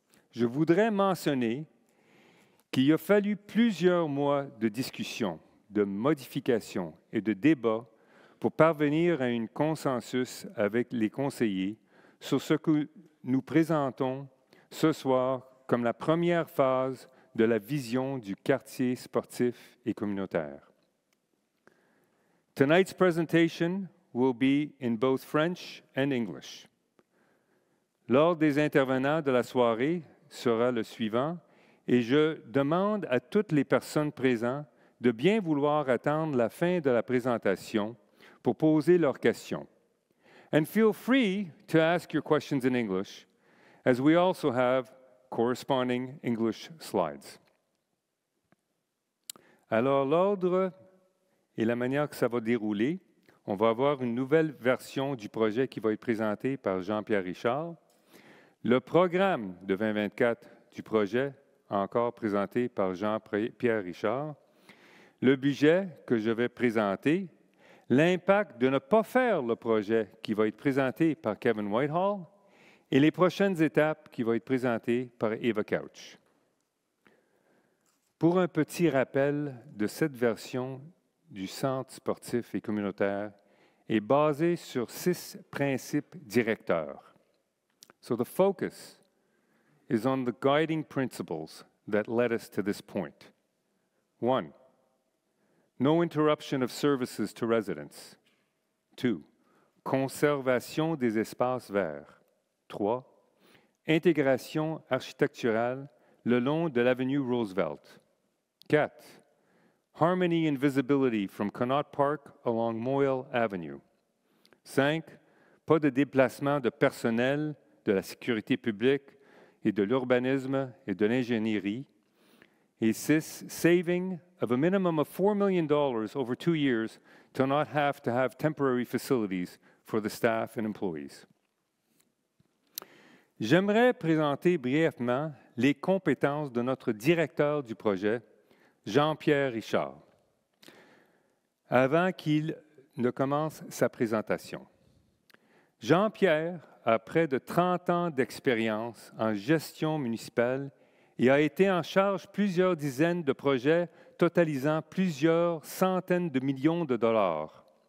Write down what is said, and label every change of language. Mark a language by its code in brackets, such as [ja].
[fr] Je voudrais mentionner qu'il a fallu plusieurs mois de discussions, de modifications et de débats pour parvenir à un consensus avec les conseillers sur ce que nous présentons ce soir comme la première phase de la vision du quartier sportif et communautaire. [en] Tonight's presentation will be in both French and English. [fr] L'ordre des intervenants de la soirée sera le suivant, et je demande à toutes les personnes présentes de bien vouloir attendre la fin de la présentation pour poser leurs questions. [en] And feel free to ask your questions in English, as we also have corresponding English slides. [fr] Alors, l'ordre et la manière que ça va dérouler, on va avoir une nouvelle version du projet qui va être présentée par Jean-Pierre Richard. Le programme de 2024 du projet, encore présenté par Jean-Pierre Richard. Le budget que je vais présenter. L'impact de ne pas faire le projet qui va être présenté par Kevin Whitehall. Et les prochaines étapes qui vont être présentées par Eva Couch. Pour un petit rappel de cette version du Centre sportif et communautaire est basée sur 6 principes directeurs. [en] So the focus is on the guiding principles that led us to this point. 1. No interruption of services to residents. 2. [fr] Conservation des espaces verts. 3. Intégration architecturale le long de l'avenue Roosevelt. 4. [en] Harmony and visibility from Connaught Park along Moyle Avenue. 5. [fr] Pas de déplacement de personnel de la sécurité publique et de l'urbanisme et de l'ingénierie. Et 6. [en] Saving of a minimum of $4 million over 2 years to not have to have temporary facilities for the staff and employees. [fr] J'aimerais présenter brièvement les compétences de notre directeur du projet, Jean-Pierre Richard, avant qu'il ne commence sa présentation. Jean-Pierre a près de 30 ans d'expérience en gestion municipale et a été en charge plusieurs dizaines de projets totalisant plusieurs centaines de millions de dollars.